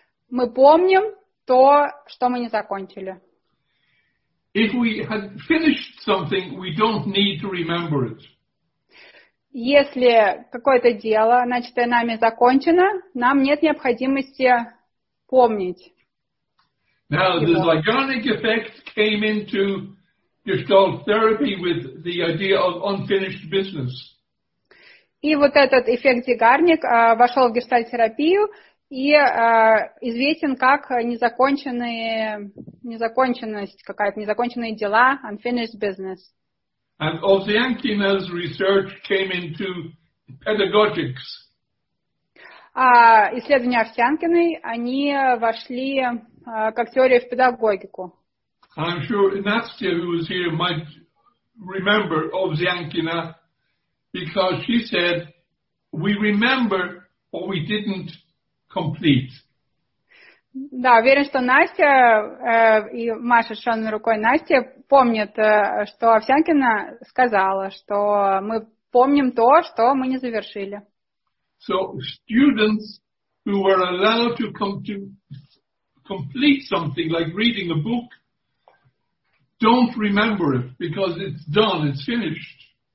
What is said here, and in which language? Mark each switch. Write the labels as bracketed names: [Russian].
[Russian] Мы помним то, что мы не закончили. [English] If we had finished something, we don't need to remember it. [Russian] Если какое-то дело, начатое нами, закончено, нам нет необходимости помнить. [English] Now, the Zeigarnik effect came into Gestalt therapy with the idea of unfinished business. [Russian] И вот этот эффект Зейгарник вошел в гештальт-терапию и известен как незаконченность какая-то, незаконченные дела, [English] unfinished business. And Ovsyankina's research came into pedagogics. [Russian] Исследования Овсянкиной, они вошли как теория в педагогику. [English] I'm sure Nastya, who was here, might remember Ovsyankina, because she said, we remember what we didn't complete. [Russian] Да, уверен, что Настя и Маша с шарной рукой Настя помнят, что Овсянкина сказала, что мы помним то, что мы не завершили. [English] So students who were allowed to complete something, like reading a book, don't remember it, because it's done, it's finished.